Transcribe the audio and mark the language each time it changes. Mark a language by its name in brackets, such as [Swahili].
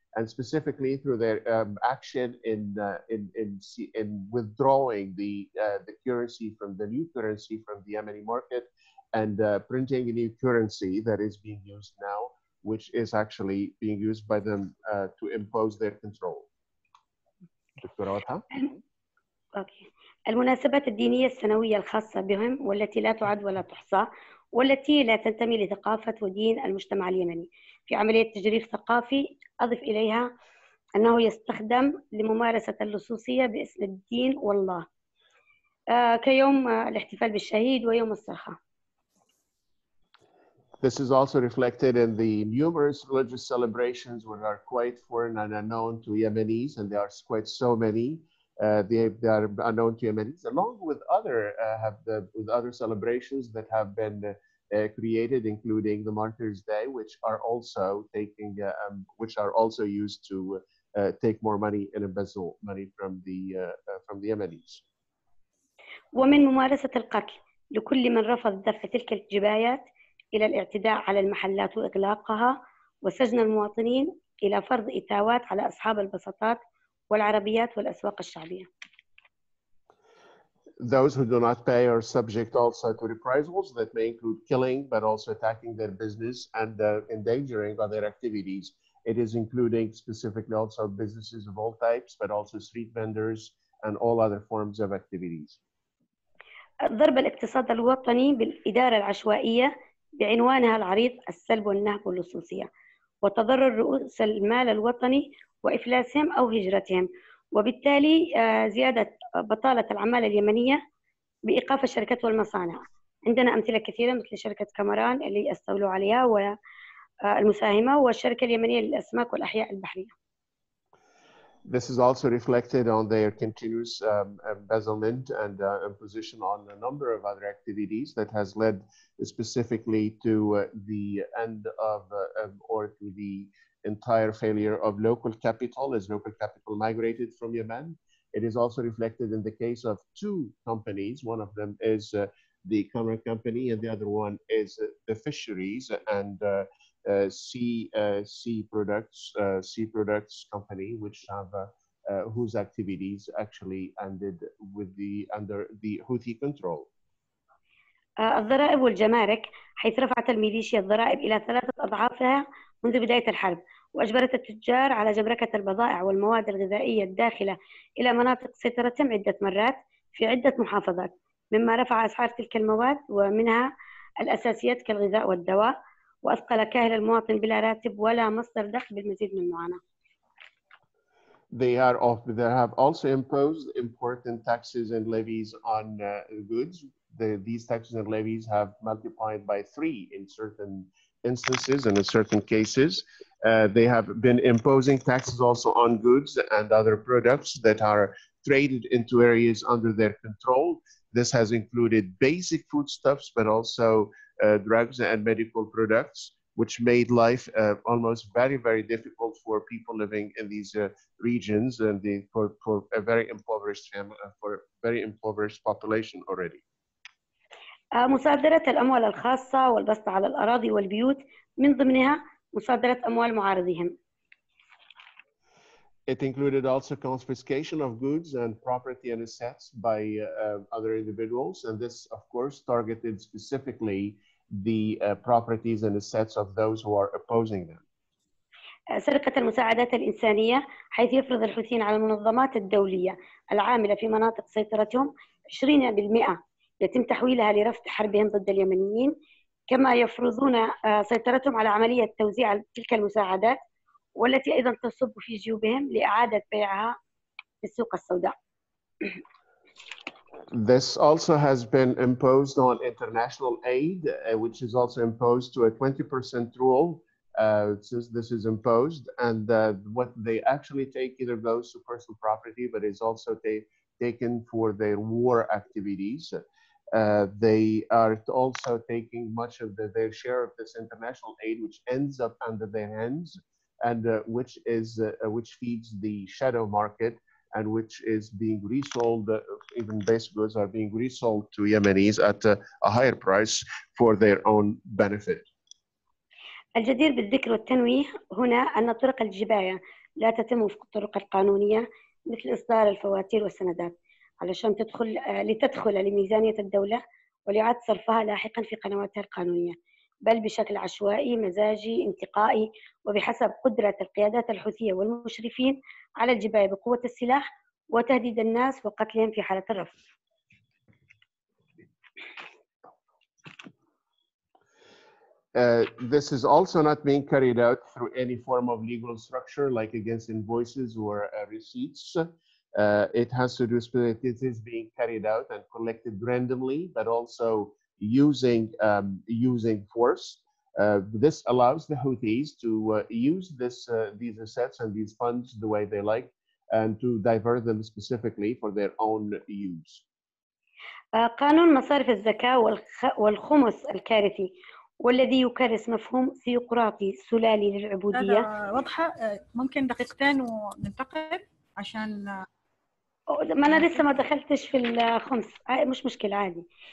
[English] And specifically through their action in withdrawing the currency from the new currency from the Yemeni market and printing a new currency that is being used now, which is actually being used by them to impose their control. [Arabic] دكتورة واضحة؟ أوكي. المناسبات الدينية السنوية الخاصة بهم والتي لا تعد ولا تحصى والتي لا تنتمي لثقافة ودين المجتمع اليمني. في عملية تجريف ثقافي أضف إليها أنه يستخدم لممارسة اللصوصية باسم الدين والله. كيوم الاحتفال بالشهيد ويوم الصرخة. [English] This is also reflected in the numerous religious celebrations which are quite foreign and unknown to Yemenis, and there are quite so many. They are unknown to Yemenis, along with other with other celebrations that have been created, including the Martyrs' Day, which are also taking which are also used to take more money and embezzle money from the Yemenis. [Arabic] ومن ممارسة القتل لكل من رفض دفع تلك الجبايات إلى الاعتداء على المحلات وإغلاقها وسجن المواطنين إلى فرض إتاوات على أصحاب البساطات والعربيات والأسواق الشعبية. [English] Those who do not pay are subject also to reprisals that may include killing, but also attacking their business and endangering other activities. It is including specifically also businesses of all types, but also street vendors and all other forms of activities. [Arabic] ضرب الاقتصاد الوطني بالإدارة العشوائية بعنوانها العريض السلب والنهب واللصوصية وتضرر رؤوس المال الوطني وإفلاسهم أو هجرتهم وبالتالي زيادة بطالة العمالة اليمنية بإيقاف الشركات والمصانع. عندنا أمثلة كثيرة مثل شركة كامران اللي استولوا عليها والمساهمة والشركة اليمنية للأسماك والأحياء البحرية. [English] This is also reflected on their continuous embezzlement and imposition on a number of other activities that has led specifically to the end of or to the entire failure of local capital as local capital migrated from Yemen. It is also reflected in the case of two companies. One of them is the Camera Company and the other one is the fisheries and sea products company, which have whose activities actually ended with the under the Houthi control. [Arabic] الضرائب والجمارك حيث رفعت الميليشيا الضرائب إلى ثلاثة أضعافها منذ بداية الحرب وأجبرت التجار على جبركة البضائع والمواد الغذائية الداخلة إلى مناطق سيطرتهم عدة مرات في عدة محافظات مما رفع أسعار تلك المواد ومنها الأساسيات كالغذاء والدواء وأثقل كاهل المواطن بلا راتب ولا مصدر دخل بالمزيد من المعاناة. [English] They have also imposed important taxes and levies on goods. These taxes and levies have multiplied by three in certain instances and in certain cases. They have been imposing taxes also on goods and other products that are traded into areas under their control. This has included basic foodstuffs, but also drugs and medical products, which made life almost very, very difficult for people living in these regions and for a very impoverished family, for a very impoverished population already. [Arabic] مصادرة الأموال الخاصة والبسط على الأراضي والبيوت من ضمنها مصادرة أموال معارضيهم. [English] It included also confiscation of goods and property and assets by other individuals, and this, of course, targeted specifically the properties and assets of those who are opposing them. [Arabic] سرقة المساعدات الإنسانية حيث يفرض الحوثيين على المنظمات الدولية العاملة في مناطق سيطرتهم 20% يتم تحويلها لرفض حربهم ضد اليمنيين كما يفرضون سيطرتهم على عملية توزيع تلك المساعدات والتي أيضا تصب في جيوبهم لإعادة بيعها في السوق السوداء. [English] This also has been imposed on international aid, which is also imposed to a 20% rule since this is imposed. And what they actually take either goes to personal property, but is also taken for their war activities. They are also taking much of their share of this international aid, which ends up under their hands, and which feeds the shadow market, and which is being resold, even base goods are being resold to Yemenis at a higher price for their own benefit. [Arabic] الجدير بالذكر والتنويه هنا أن طرق الجباية لا تتم وفق الطرق القانونية مثل إصدار الفواتير والسندات علشان لتدخل لميزانية الدولة وليعاد صرفها لاحقا في قنواتها القانونية بل بشكل عشوائي مزاجي انتقائي وبحسب قدرة القيادات الحوثية والمشرفين على الجباية بقوة السلاح وتهديد الناس وقتلهم في حالة الرفض. [English] This is also not being carried out through any form of legal structure like against invoices or receipts. It has to do with it is being carried out and collected randomly, but also using using force. This allows the Houthis to use this these assets and these funds the way they like, and to divert them specifically for their own use. [Arabic] قانون مصارف الزكاة والخمس الكارثي والذي يكرس مفهوم ثيوقراطي سلالي للعبودية. هذا واضحة. ممكن دقيقتين وننتقل عشان ما أنا لسه ما دخلتش في الخمس. مش مشكلة عادي.